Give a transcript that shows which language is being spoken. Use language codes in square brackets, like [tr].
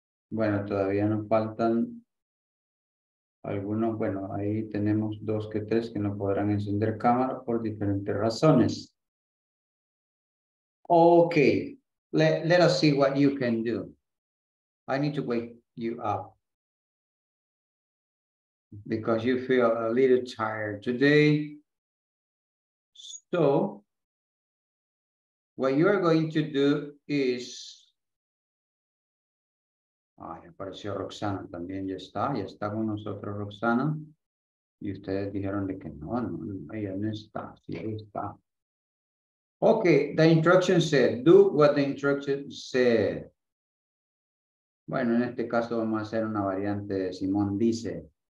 [es] Bueno, todavía nos faltan algunos, bueno, ahí tenemos 2 que 3 que no podrán encender cámara por diferentes razones. [en] Okay, let us see what you can do. I need to wake you up because you feel a little tired today. So, what you are going to do is, [es] ay, apareció Roxana, también ya está con nosotros Roxana. Y ustedes dijeron de que no, ella no está, sí, ahí está. [en] Okay, the instruction said, do what the instruction said. [es] Bueno, en este caso vamos a hacer una variante de Simón dice.